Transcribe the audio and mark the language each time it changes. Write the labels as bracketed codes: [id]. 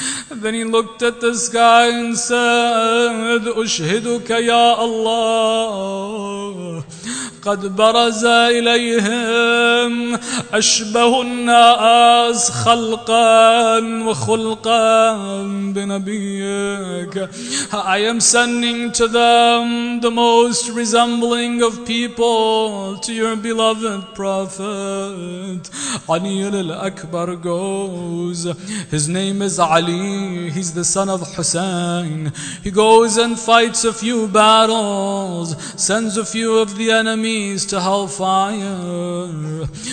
[en] Then he looked at the sky and said, [ar] Ushhiduka ya Allah, قد برز إليهم أشبه الناس خلقا وخلقا بنبيك. [en] I am sending to them the most resembling of people to your beloved prophet. Aliyul Akbar goes, his name is Ali, he's the son of Hussein. He goes and fights a few battles, sends a few of the enemies to hellfire.